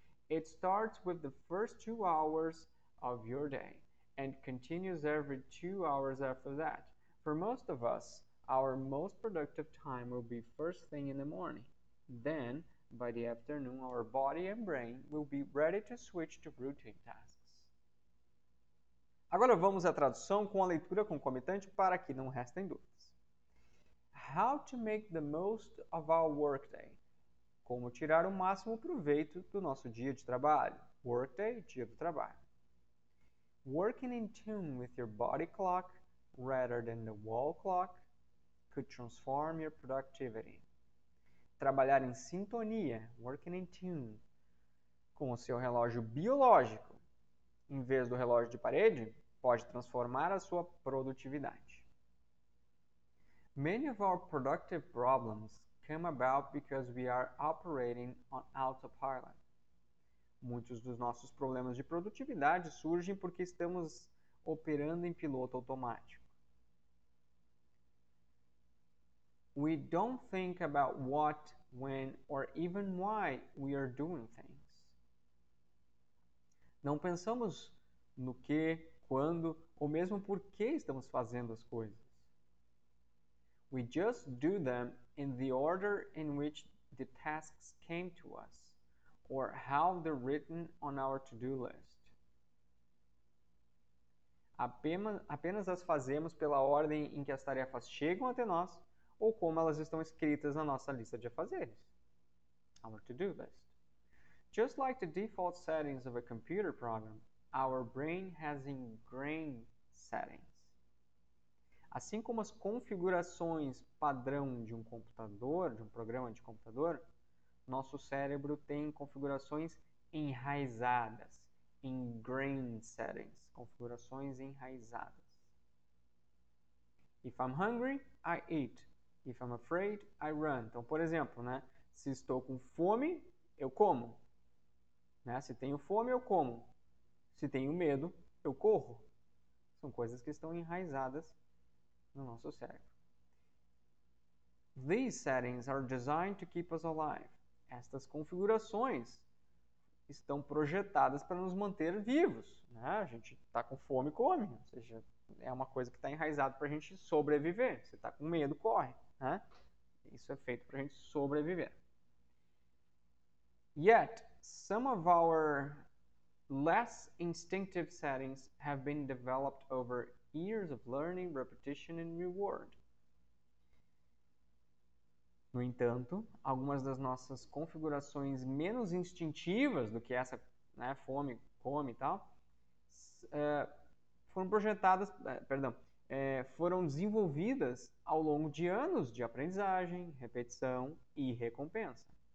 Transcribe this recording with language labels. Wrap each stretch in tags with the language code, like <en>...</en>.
<en>It starts with the first 2 hours of your day and continues every 2 hours after that. For most of us, our most productive time will be first thing in the morning. Then, by the afternoon, our body and brain will be ready to switch to routine tasks.</en> <pt>Agora vamos à tradução com a leitura concomitante para que não restem dúvidas.</pt> <en>How to make the most of our workday?</en> <pt>Como tirar o máximo proveito do nosso dia de trabalho? Workday, dia do trabalho.</pt> <en>Working in tune with your body clock rather than the wall clock could transform your productivity.</en> <pt>Trabalhar em sintonia,</pt> <en>working in tune,</en> <pt>com o seu relógio biológico, em vez do relógio de parede, pode transformar a sua produtividade.</pt> <en>Many of our productive problems come about because we are operating on autopilot.</en> <pt>Muitos dos nossos problemas de produtividade surgem porque estamos operando em piloto automático.</pt> <en>We don't think about what, when, or even why we are doing things.</en> <pt>Não pensamos no que, quando ou mesmo por que estamos fazendo as coisas.</pt> <en>We just do them in the order in which the tasks came to us or how they're written on our to-do list.</en> <pt>Apenas as fazemos pela ordem em que as tarefas chegam até nós ou como elas estão escritas na nossa lista de afazeres.</pt> <en>Our to-do list. Just like the default settings of a computer program, our brain has ingrained settings.</en> <pt>Assim como as configurações padrão de um computador, de um programa de computador, nosso cérebro tem configurações enraizadas,</pt> <en>ingrained settings,</en> <pt>configurações enraizadas.</pt> <en>If I'm hungry, I eat. If I'm afraid, I run.</en> <pt>Então, por exemplo, né? Se estou com fome, eu como. Né? Se tenho fome, eu como. Se tenho medo, eu corro. São coisas que estão enraizadas no nosso cérebro.</pt> <en>These settings are designed to keep us alive.</en> <pt>Estas configurações estão projetadas para nos manter vivos. Né? A gente está com fome, come. Ou seja, é uma coisa que está enraizada para a gente sobreviver. Você está com medo, corre. Né? Isso é feito para a gente sobreviver.</pt> <en>Yet, some of our less instinctive settings have been developed over years of learning, repetition and reward.</en> <pt>No entanto, algumas das nossas configurações menos instintivas do que essa, né, fome, come e tal, foram projetadas, foram desenvolvidas ao longo de anos de aprendizagem, repetição e recompensa.</pt>